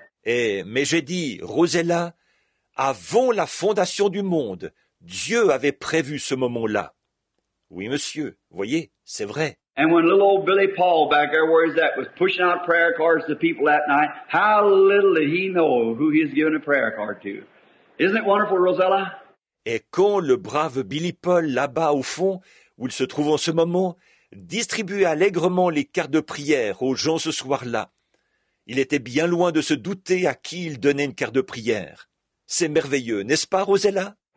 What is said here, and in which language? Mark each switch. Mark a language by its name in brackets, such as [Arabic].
[French] Mais j'ai dit, Rosella, avant la fondation du monde, Dieu avait prévu ce moment-là. Oui, monsieur, voyez, c'est vrai. [English] And when little old Billy Paul back there, where is that, was pushing out prayer cards to people that night, how little did he know who he's giving a prayer card to? Isn't it wonderful, Rosella? [French] Et quand le brave Billy Paul, là-bas au fond, où il se trouve en ce moment, distribuait allègrement les cartes de prière aux gens ce soir-là, il était bien loin de se douter à qui il donnait une carte de prière. C'est merveilleux, n'est-ce pas, Rosella?